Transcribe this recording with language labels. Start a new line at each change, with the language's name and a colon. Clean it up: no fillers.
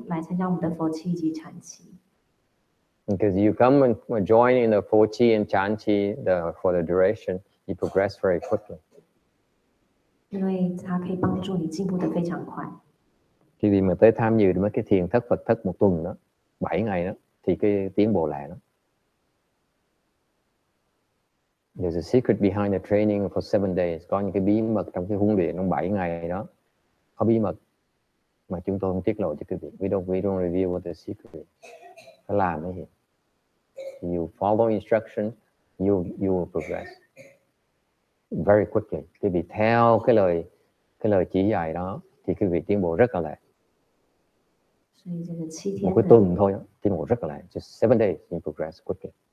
Chinese: 当你可以做一个小时以上的时候，鼓励你可以参加我们的佛七以及禅七。
English: Because you come and join in the Pho Chi and Chan Chi for the duration, you progress very quickly.
Chinese: 因为它可以帮助你进步的非常快。
Vietnamese: Khi vì mà tới tham dự mấy cái thiền thất Phật thất một tuần đó, 7 ngày đó, thì cái tiến bộ lại đó.
English: There's a secret behind the training for 7 days.
Vietnamese: Có những cái bí mật trong cái huấn luyện trong 7 ngày đó. Có bí mật mà chúng tôi không tiết lộ cho quý vị.
English: We don't reveal what the secret is.
Vietnamese: Phải làm cái gì.
English: you follow instruction, you will progress very quickly.
Vietnamese: Quý vị theo cái lời chỉ dạy đó thì quý vị tiến bộ rất là lẹ. Một cái tuần thôi tiến bộ rất là lẹ.
English: Just 7 days you progress quickly.